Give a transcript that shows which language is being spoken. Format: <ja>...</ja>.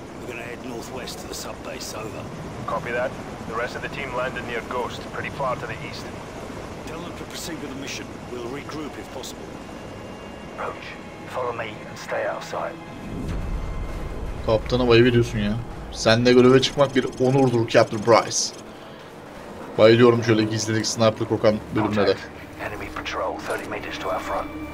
<en>We're gonna head northwest to the sub base. Over. Copy that. The rest of the team landed near Ghost, pretty far to the east. Tell them to proceed with the mission. We'll regroup if possible. Roach, follow me and stay outside.</en> <tr>Kaptana bayılıyorsun ya. Seninle göreve çıkmak bir onurdur, Captain Price. Bayılıyorum şöyle gizlilik, sniper kokan bölümlere.</tr> <en>Enemy patrol 30 meters to our front.</en>